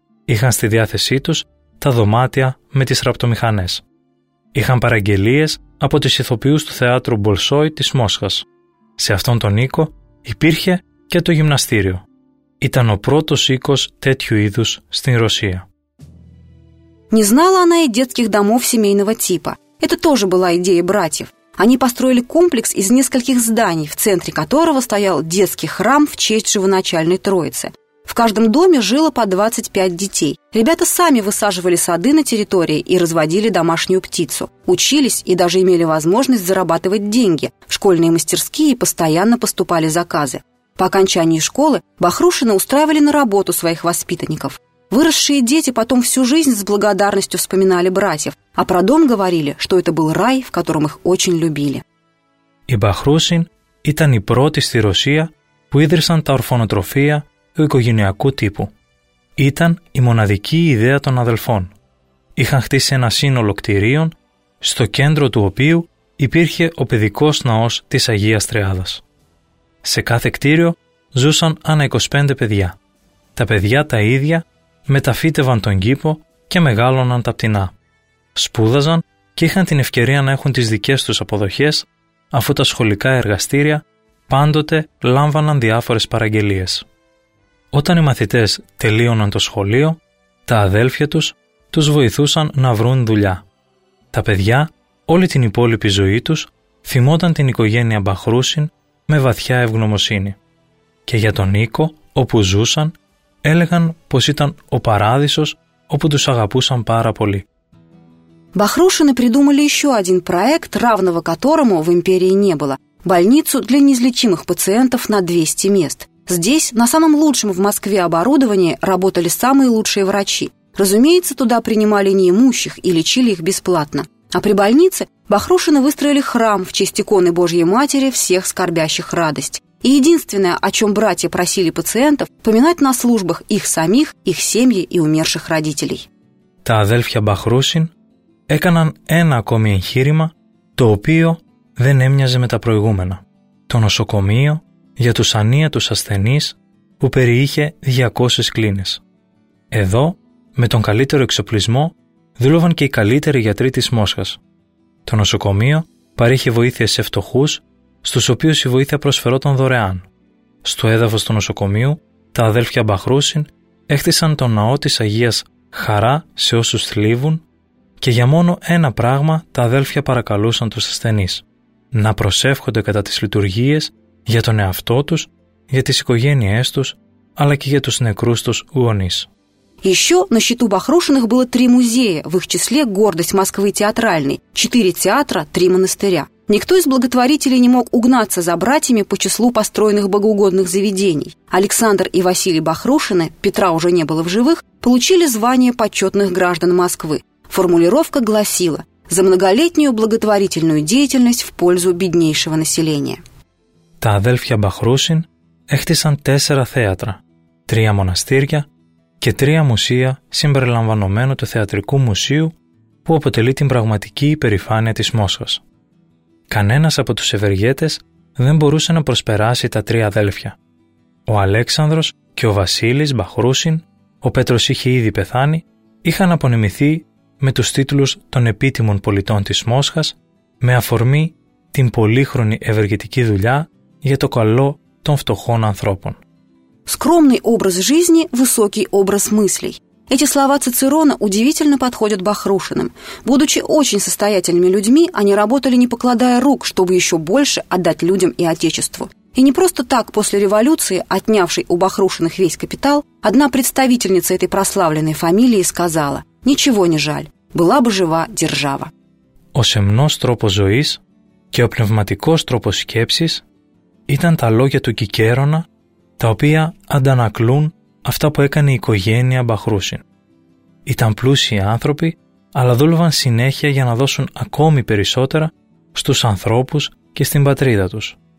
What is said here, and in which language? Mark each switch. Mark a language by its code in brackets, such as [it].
[el] Είχαν στη διάθεσή τους τα δωμάτια με τις ραπτομηχανές. Είχαν παραγγελίες από τις ηθοποιούς του θεάτρου Μπολσόι της Μόσχας. Σε αυτόν τον οίκο υπήρχε και το γυμναστήριο. Ήταν ο πρώτος οίκος τέτοιου είδους στην Ρωσία. [ru] Не знала она и детских домов семейного типа. Это тоже была идея братьев. Они построили комплекс из нескольких зданий, в центре которого стоял детский храм в честь Живоначальной Троицы. В каждом доме жило по 25 детей. Ребята сами высаживали сады на территории и разводили домашнюю птицу. Учились и даже имели возможность зарабатывать деньги. В школьные мастерские постоянно поступали заказы. По окончании школы бахрушины устраивали на работу своих воспитанников. Выросшие дети потом всю жизнь с благодарностью вспоминали братьев, а про дом говорили, что это был рай, в котором их очень любили. [el] Οι Μπαχρούσιν ήταν οι πρώτοι στη Ρωσία που ίδρυσαν τα ορφανοτροφεία του οικογενειακού τύπου. Ήταν η μοναδική ιδέα των αδελφών. Είχαν χτίσει ένα σύνολο κτηρίων, στο κέντρο του οποίου υπήρχε ο παιδικός ναός της Αγίας Τριάδας. Σε κάθε κτίριο ζούσαν ανά 25 παιδιά. Τα παιδιά τα ίδια μεταφύτευαν τον κήπο και μεγάλωναν τα πτηνά. Σπούδαζαν και είχαν την ευκαιρία να έχουν τις δικές τους αποδοχές, αφού τα σχολικά εργαστήρια πάντοτε λάμβαναν διάφορες παραγγελίες. Όταν οι μαθητές τελείωναν το σχολείο, τα αδέλφια τους τους βοηθούσαν να βρουν δουλειά. Τα παιδιά όλη την υπόλοιπη ζωή τους θυμόταν την οικογένεια Μπαχρούσιν με βαθιά ευγνωμοσύνη. Και για τον οίκο όπου ζούσαν, έλεγαν πως ήταν ο παράδεισος όπου τους αγαπούσαν πάρα πολύ. [ru] Бахрушины придумали еще один проект, равного которому в империи не было – больницу для неизлечимых пациентов на 200 мест. Здесь, на самом лучшем в Москве оборудовании, работали самые лучшие врачи. Разумеется, туда принимали неимущих и лечили их бесплатно. А при больнице Бахрушины выстроили храм в честь иконы Божьей Матери всех скорбящих радость. И единственное, о чем братья просили пациентов – поминать на службах их самих, их семьи и умерших родителей. [el] Та адельфья Бахрушин έκαναν ένα ακόμη εγχείρημα το οποίο δεν έμοιαζε με τα προηγούμενα. Το νοσοκομείο για τους ανίατους ασθενείς που περιείχε 200 κλίνες. Εδώ, με τον καλύτερο εξοπλισμό, δούλευαν και οι καλύτεροι γιατροί της Μόσχας. Το νοσοκομείο παρέχει βοήθεια σε φτωχούς, στους οποίους η βοήθεια προσφερόταν δωρεάν. Στο έδαφος του νοσοκομείου, τα αδέλφια Μπαχρούσιν έκτισαν τον ναό της Αγίας Χαρά σε όσους θλίβουν, και για μόνο ένα πράγμα τα αδέλφια παρακαλούσαν τους ασθενείς: να προσεύχονται κατά τις λειτουργίες για τον εαυτό τους, για τις οικογένειές τους, αλλά και για τους νεκρούς τους γονείς. [ru] Еще на счету Бахрушиных было три музея, в их числе гордость Москвы театральной, 4 театра, 3 монастыря. Никто из благотворителей не мог угнаться за братьями по числу построенных богоугодных заведений. Александр и Василий Бахрушины, Петра уже не было в живых, получили звание почетных граждан Москвы. Формулировка гласила: «За многолетнюю благотворительную деятельность в пользу беднейшего населения». [el] Τα αδέλφια Μπαχρούσιν έχτισαν 4 θέατρα, 3 μοναστήρια και 3 μουσεία συμπεριλαμβανομένου του Θεατρικού Μουσείου που αποτελεί την πραγματική υπερηφάνεια της Μόσχας. Κανένας από τους ευεργέτες δεν μπορούσε να προσπεράσει τα 3 αδέλφια. Ο Αλέξανδρος και ο Βασίλης Μπαχρούσιν, ο Πέτρος είχε ήδη πεθάνει, είχαν απονεμηθεί με τους τίτλους των επίτιμων πολιτών της Μόσχας με αφορμή την πολύχρονη ευεργετική δουλειά για το καλό των φτωχών ανθρώπων. [ru] Скромный образ жизни, высокий образ мыслей. Эти слова Цицерона удивительно подходят Бахрушиным. Будучи очень состоятельными людьми, они работали не покладая рук, чтобы еще больше отдать людям и отечеству. И не просто так после революции, отнявшей у Бахрушиных весь капитал, одна представительница этой прославленной фамилии сказала: «Ничего не жаль, была бы жива держава». [el] Ο σεμνός τρόπος ζωής και ο πνευματικός τρόπος σκέψης ήταν τα λόγια του Κικέρωνα, τα οποία αντανακλούν αυτά που έκανε η οικογένεια Μπαχρούσιν. Ήταν πλούσιοι άνθρωποι, αλλά δούλευαν συνέχεια για να δώσουν ακόμη περισσότερα στους ανθρώπους και στην πατρίδα τους.